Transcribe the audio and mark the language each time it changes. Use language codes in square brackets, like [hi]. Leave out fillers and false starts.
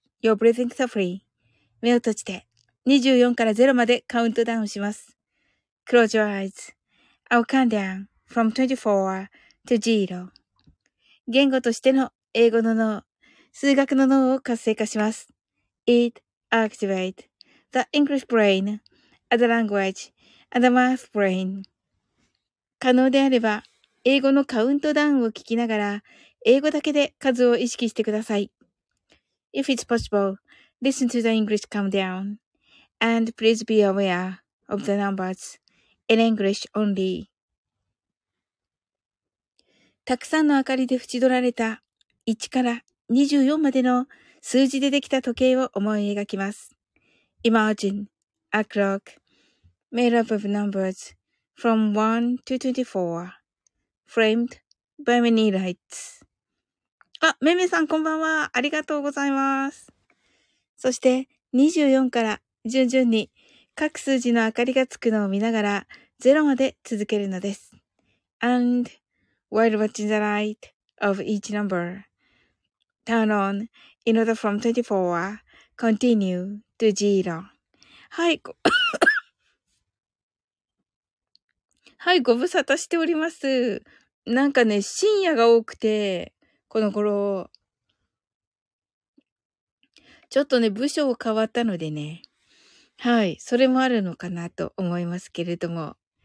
[en] Your breathing is free. [ja] 目を閉じて24から0までカウントダウンします。 [en] Close your eyes. I'll count down from 24 to 0. [ja] 言語としての英語の脳、数学の脳を活性化します。 [en] It activates the English brain as a language. [ja] アダマースブレイン。可能であれば、英語のカウントダウンを聞きながら、英語だけで数を意識してください。 [en] If it's possible, listen to the English countdown. And please be aware of the numbers in English only. [ja] たくさんの明かりで縁取られた1から24までの数字でできた時計を思い描きます。 [en] Imagine a clock. Made up of numbers from 1 to 24, framed by many lights. [ja] あ、めめさんこんばんは。ありがとうございます。そして24から順々に各数字の明かりがつくのを見ながら0まで続けるのです。 [en] And while watching the light of each number, turn on in order from 24, continue to 0. [ja] はい。はい、ご無沙汰しております。なんかね、深夜が多くて、この頃。ちょっとね、部署を変わったのでね。はい、それもあるのかなと思いますけれども。